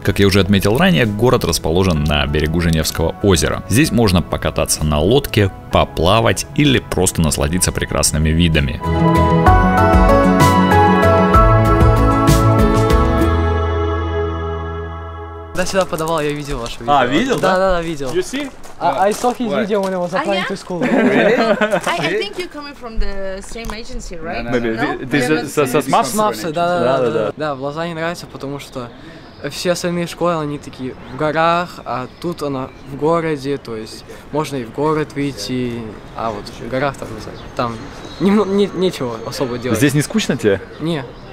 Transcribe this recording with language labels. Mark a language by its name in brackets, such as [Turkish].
[Russian] Как я уже отметил ранее, город расположен на берегу Женевского озера. Здесь можно покататься на лодке, поплавать или просто насладиться прекрасными видами. Когда сюда подавал, я видел ваше видео. А, видел, да? Да, видел. [English] You see? I saw his video when I was applying to school. Really? I think you're coming from the same agency, right? Maybe. This is Smafsa. [Russian] Да. Да, в Лозанне нравится, потому что все остальные школы, они такие в горах, а тут она в городе, то есть можно и в город выйти, а вот в горах там, не знаю, там нечего особо делать. Здесь не скучно тебе? Не.